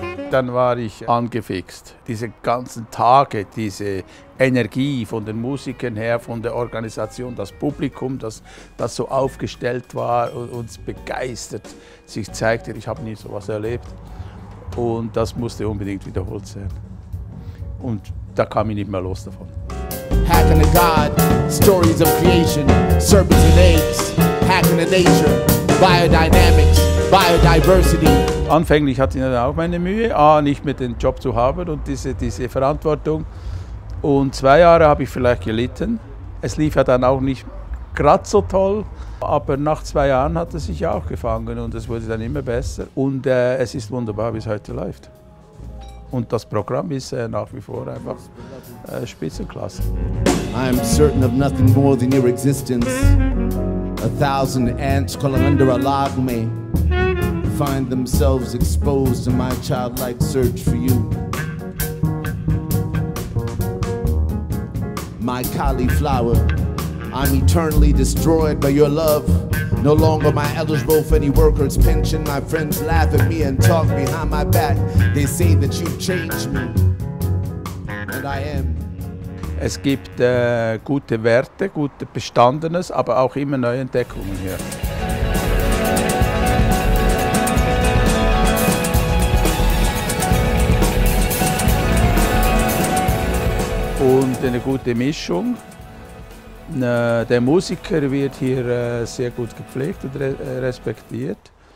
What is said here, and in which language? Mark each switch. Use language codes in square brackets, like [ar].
[de] Dann war ich angefixt. Diese ganzen Tage, diese Energie von den Musikern her, von der Organisation, das Publikum, das so aufgestellt war und uns begeistert sich zeigte. Ich habe nie sowas erlebt. Und das musste unbedingt wiederholt sein. Und da kam ich nicht mehr los davon. [en] Hack in the God, stories of creation, serpents and apes, hack in the nature, biodynamics, biodiversity. [de] Anfänglich hatte ich dann auch meine Mühe, nicht mehr den Job zu haben und diese Verantwortung. Und 2 Jahre habe ich vielleicht gelitten. Es lief ja dann auch nicht gerade so toll. Aber nach 2 Jahren hat es sich auch gefangen und es wurde dann immer besser. Und es ist wunderbar, wie es heute läuft. Und das Programm ist nach wie vor einfach Spitzenklasse. [en] I'm certain of nothing more than your existence. A thousand ants crawling under a log me. Find themselves exposed to my childlike search for you. My cauliflower, I'm eternally destroyed by your love. No longer my eligible for any worker's pension. My friends laugh at me and talk behind my back. They say that you've changed me, and I am. [de] Es gibt gute Werte, gute Bestandenes, aber auch immer neue Entdeckungen hier. Und eine gute Mischung. Der Musiker wird hier sehr gut gepflegt und respektiert.